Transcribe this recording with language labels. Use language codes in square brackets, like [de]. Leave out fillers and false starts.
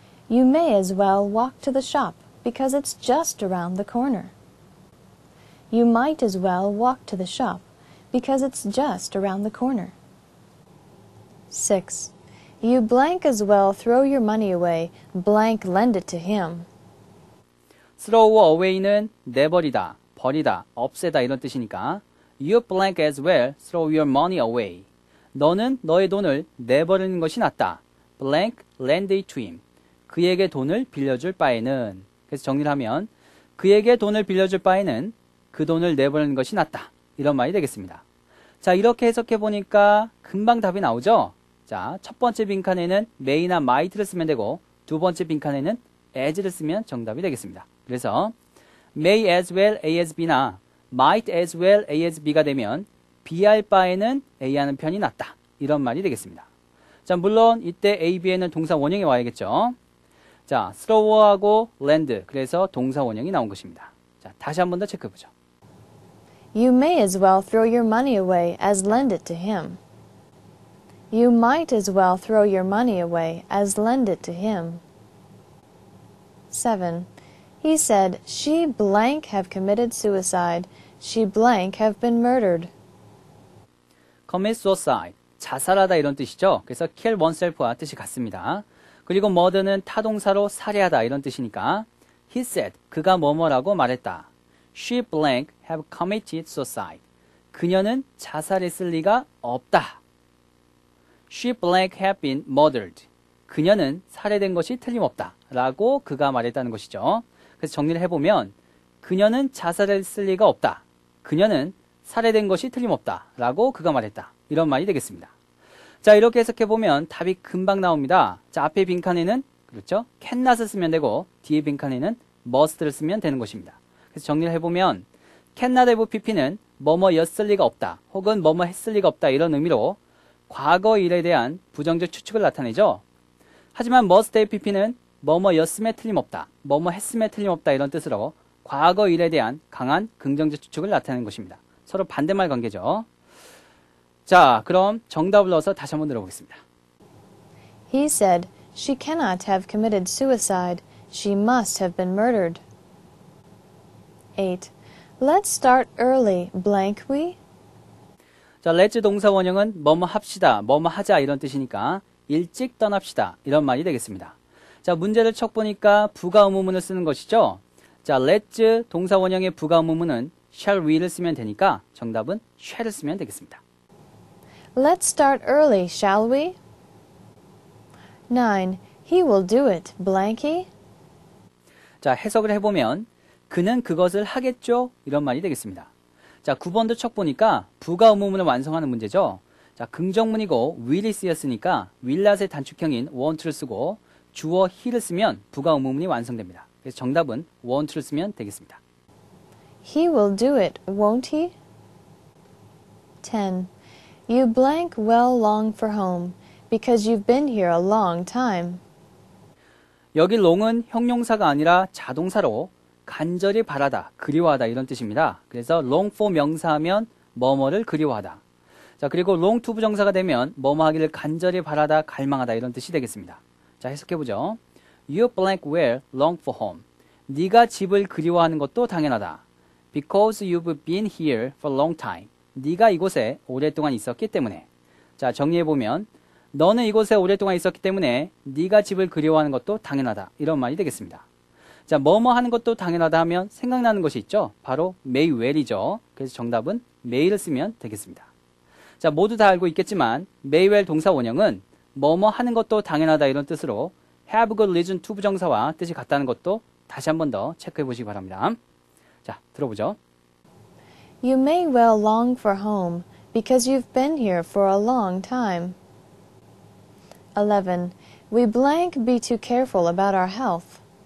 [en] You may as well walk to the shop because it's just around the corner. You might as well walk to the shop because it's just around the corner. 6. You blank as well throw your money away, blank lend it to him. Throw away는 [ko] 내버리다, 버리다, 없애다 이런 뜻이니까 [en] You blank as well throw your money away. [ko] 너는 너의 돈을 내버리는 것이 낫다. [en] Blank lend it to him. [ko] 그에게 돈을 빌려줄 바에는. 그래서 정리를 하면 그에게 돈을 빌려줄 바에는 그 돈을 내버리는 것이 낫다. 이런 말이 되겠습니다. 자, 이렇게 해석해 보니까 금방 답이 나오죠? 자, 첫 번째 빈칸에는 may나 might를 쓰면 되고 두 번째 빈칸에는 as를 쓰면 정답이 되겠습니다. 그래서 may as well A as B나 might as well A as B가 되면 B할 바에는 A하는 편이 낫다. 이런 말이 되겠습니다. 자, 물론 이때 A, B에는 동사 원형이 와야겠죠. 자, throw하고 lend, 그래서 동사 원형이 나온 것입니다. 자, 다시 한 번 더 체크해보죠. [en] You may as well throw your money away as lend it to him. You might as well throw your money away as lend it to him. 7. He said, she blank have committed suicide, she blank have been murdered. [ko] Commit suicide, 자살하다 이런 뜻이죠. 그래서 kill oneself와 뜻이 같습니다. 그리고 murder는 타동사로 살해하다 이런 뜻이니까 [en] He said, [ko] 그가 뭐뭐라고 말했다. [en] She blank have committed suicide. [ko] 그녀는 자살했을 리가 없다. [en] She blank have been murdered. [ko] 그녀는 살해된 것이 틀림없다. 라고 그가 말했다는 것이죠. 그래서 정리를 해보면 그녀는 자살했을 리가 없다. 그녀는 살해된 것이 틀림없다. 라고 그가 말했다. 이런 말이 되겠습니다. 자, 이렇게 해석해보면 답이 금방 나옵니다. 자, 앞에 빈칸에는, 그렇죠? cannot을 쓰면 되고, 뒤에 빈칸에는 must를 쓰면 되는 것입니다. 그래서 정리를 해보면, cannot have pp는 뭐뭐였을 리가 없다. 혹은 뭐뭐 했을 리가 없다. 이런 의미로, 과거 일에 대한 부정적 추측을 나타내죠. 하지만 must have pp는 뭐뭐였음에 틀림없다. 뭐뭐 했음에 틀림없다. 이런 뜻으로, 과거 일에 대한 강한 긍정적 추측을 나타내는 것입니다. 서로 반대말 관계죠. 자, 그럼 정답을 넣어서 다시 한번 들어보겠습니다. [en] He said, she cannot have committed suicide. She must have been murdered. 8. Let's start early, blank we? [ko] 자, let's 동사 원형은 뭐뭐 합시다, 뭐뭐 하자 이런 뜻이니까 일찍 떠납시다 이런 말이 되겠습니다. 자, 문제를 척 보니까 부가 의문문을 쓰는 것이죠. 자, let's 동사 원형의 부가 의문문은 shall we를 쓰면 되니까 정답은 shall을 쓰면 되겠습니다. [en] Let's start early, shall we? 9. He will do it, blanky. [ko] 자, 해석을 해보면 그는 그것을 하겠죠? 이런 말이 되겠습니다. 자, 9번도 척 보니까 부가 의문문을 완성하는 문제죠. 자, 긍정문이고 will이 쓰였으니까 will not의 단축형인 want를 쓰고 주어 he를 쓰면 부가 의문문이 완성됩니다. 그래서 정답은 want를 쓰면 되겠습니다. [en] He will do it, won't he? 10. You blank well long for home because you've been here a long time. [ko] 여기 long은 형용사가 아니라 자동사로 간절히 바라다, 그리워하다 이런 뜻입니다. 그래서 long for 명사하면 뭐뭐를 그리워하다. 자, 그리고 long to 부정사가 되면 뭐뭐하기를 간절히 바라다, 갈망하다 이런 뜻이 되겠습니다. 자, 해석해보죠. [en] You blank well long for home. [ko] 네가 집을 그리워하는 것도 당연하다. [en] Because you've been here for a long time. [ko] 네가 이곳에 오랫동안 있었기 때문에. 자, 정리해보면 너는 이곳에 오랫동안 있었기 때문에 네가 집을 그리워하는 것도 당연하다. 이런 말이 되겠습니다. 자, 뭐뭐 하는 것도 당연하다 하면 생각나는 것이 있죠. 바로 may well이죠. 그래서 정답은 may를 쓰면 되겠습니다. 자, 모두 다 알고 있겠지만 may well 동사 원형은 뭐뭐 하는 것도 당연하다 이런 뜻으로 have good reason to 부정사와 뜻이 같다는 것도 다시 한 번 더 체크해 보시기 바랍니다. 자, 들어보죠. [en] You may well long for home because you've been here for a long time. 11. We blank be too careful about our health.